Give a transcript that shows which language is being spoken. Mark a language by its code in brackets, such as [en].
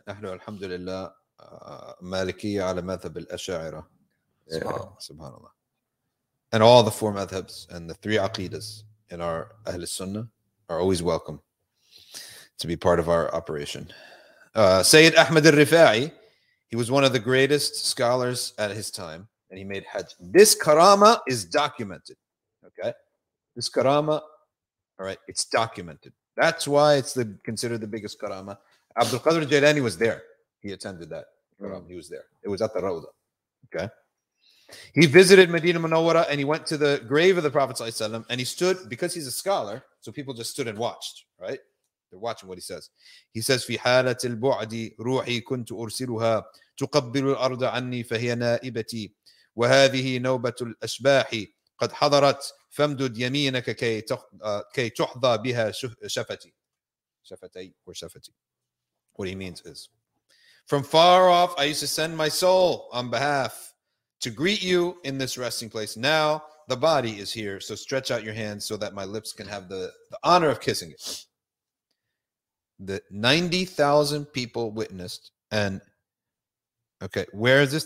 [ar] نحن الحمد لله مالكية على مذهب الأشاعرة. Subhanallah. [en] And all the four madhabs and the three aqidas in our Ahl Sunnah are always welcome to be part of our operation. Sayyid Ahmed al-Rifa'i, he was one of the greatest scholars at his time, and he made Hajj. This karama is documented. Okay. This karama. All right, it's documented. That's why it's considered the biggest karama. Abdul Qadir Jailani was there. He attended that. Mm-hmm. He was there. It was at the Rawda. Okay. He visited Medina Munawwara and he went to the grave of the Prophet ﷺ, and he stood, because he's a scholar, so people just stood and watched, right? They're watching what he says. He says, [ar] في حالة البعد روحي كنت أرسلها تقبل الأرض عني فهي نائبتي وهذه نوبة الأشباح قد حضرت فامدد يمينك كي تحظى بها شفتي. شفتي or شفتي. [en] What he means is, from far off I used to send my soul on behalf to greet you in this resting place. Now the body is here, so stretch out your hands so that my lips can have the honor of kissing it. The 90,000 people witnessed, and okay, where is this?